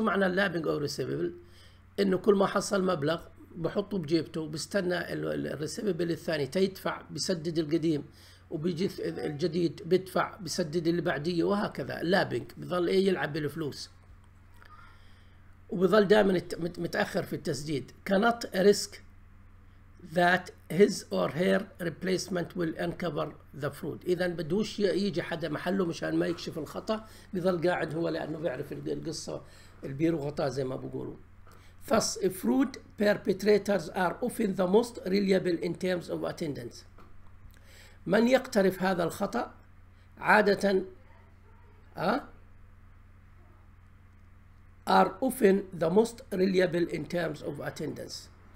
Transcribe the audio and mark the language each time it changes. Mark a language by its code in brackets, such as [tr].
[ar] شو معنى [en] lapping of receivable؟ [ar] انه كل ما حصل مبلغ بحطه بجيبته وبستنى الريسيفبل الثاني تيدفع بسدد القديم، وبيجي الجديد بيدفع بسدد اللي بعديه، وهكذا. lapping بيظل ايه، يلعب بالفلوس، وبيظل دائما متاخر في التسديد. [en] cannot risk that his or her replacement will uncover the fraud. [ar] اذا بدوش يجي حدا محله مشان ما يكشف الخطا، بيظل قاعد هو لانه بيعرف القصه، البيرو غطا زي ما بيقولوا. [en] Thus fraud perpetrators are often the most reliable in terms of attendance. [ar] من يقترف هذا الخطا عاده [en] are often the most reliable in terms of attendance.